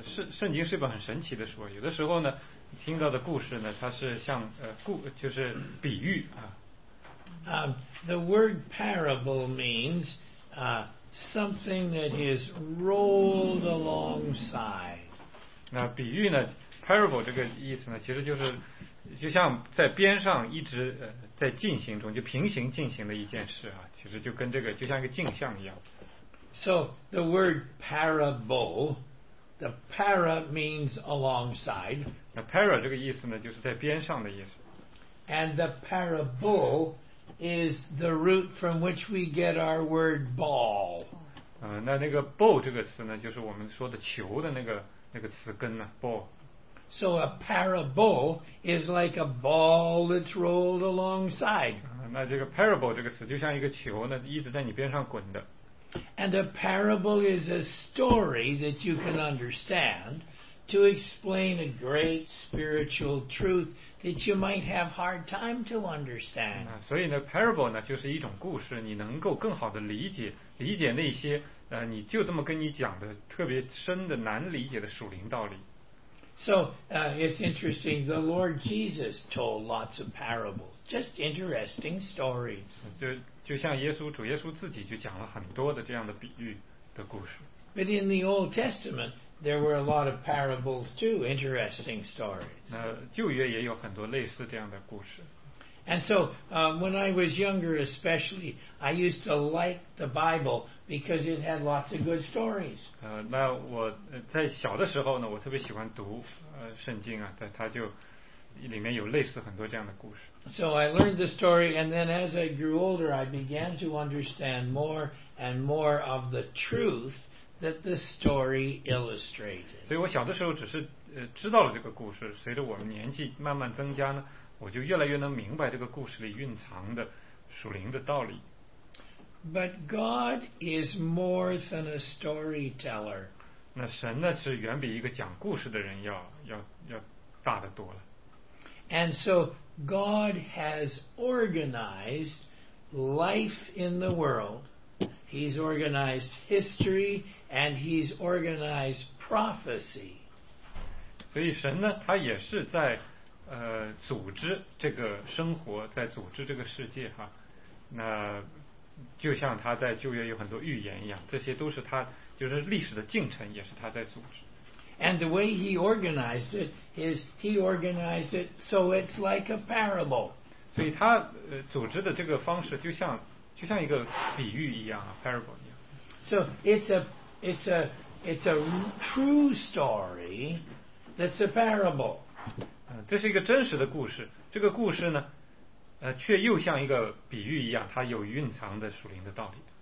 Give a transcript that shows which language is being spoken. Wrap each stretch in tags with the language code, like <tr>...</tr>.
<zh>圣经是一本很神奇的书，有的时候呢，听到的故事呢，它是像就是比喻啊。</zh> <en>The word parable means something that is rolled alongside.</en> <zh>那比喻呢 ？Parable 这个意思呢，其实就是就像在边上一直在进行中，就平行进行的一件事啊。其实就跟这个就像一个镜像一样。</zh> <en>So the word parable, the para means alongside.</en> <zh>那 para 这个意思呢，就是在边上的意思。</zh> <en>And the parable is the root from which we get our word ball.</en> <zh>那个 ball 这个词呢，就是我们说的球的那个词根呢 ，ball.</zh> <en>So a parable is like a ball that's rolled alongside.</en> <zh>那这个 parable 这个词就像一个球呢，一直在你边上滚的。</zh> <en>And a parable is a story that you can understand to explain a great spiritual truth that you might have hard time to understand.</en> <zh>所以呢 ，parable 呢就是一种故事，你能够更好的理解那些你就这么跟你讲的特别深的难理解的属灵道理。</zh> <en>So it's interesting. The Lord Jesus told lots of parables, just interesting stories.</en> <zh>就像主耶稣自己就讲了很多的这样的比喻的故事。</zh> <en>But in the Old Testament, there were a lot of parables too, interesting stories.</en> <zh>那旧约也有很多类似这样的故事。</zh> <en>And so, when I was younger, especially, I used to like the Bible because it had lots of good stories.</en> <zh>那我在小的时候呢，我特别喜欢读圣经啊，它就里面有类似很多这样的故事。</zh> <en>So I learned the story, and then as I grew older, I began to understand more and more of the truth that the story illustrated.</en> <zh>所以我小的时候只是知道了这个故事，随着我们年纪慢慢增加呢，我就越来越能明白这个故事里蕴藏的属灵的道理。</zh> <en>But God is more than a storyteller.</en> <zh>那神呢是远比一个讲故事的人要大得多了。</zh> <en>And so God has organized life in the world. He's organized history and he's organized prophecy.</en> <zh>所以神呢，他也是在组织这个生活，在组织这个世界哈，那就像他在旧约有很多预言一样，这些都是他就是历史的进程，也是他在组织。</zh> <en>And the way he organized it is he organized it so it's like a parable.</en> <zh>所以他组织的这个方式就像一个比喻一样啊 ，parable 一样。</zh> <en>So it's a true story that's a parable.</en> <zh>这是一个真实的故事，这个故事呢，却又像一个比喻一样，它有蕴藏的属灵的道理。</zh>